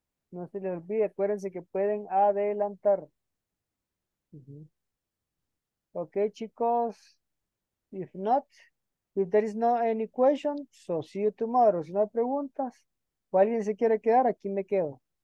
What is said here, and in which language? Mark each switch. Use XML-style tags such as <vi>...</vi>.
<es>No se les olvide, acuérdense que pueden adelantar. Ok, chicos.</es> <en>If not, if there is no any question, so see you tomorrow.</en> <es>Si no hay preguntas, o alguien se quiere quedar, aquí me quedo.</es>